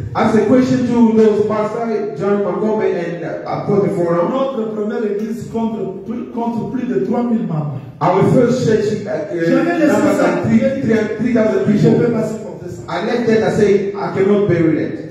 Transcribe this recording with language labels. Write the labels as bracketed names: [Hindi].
[English] Ask a question to those pastors, Jean-Macombe and Apôtre Florent. [French] Notre première église compte plus de 3000 membres. [English] Our first church had 3000 people. I left that and say, I cannot bury it.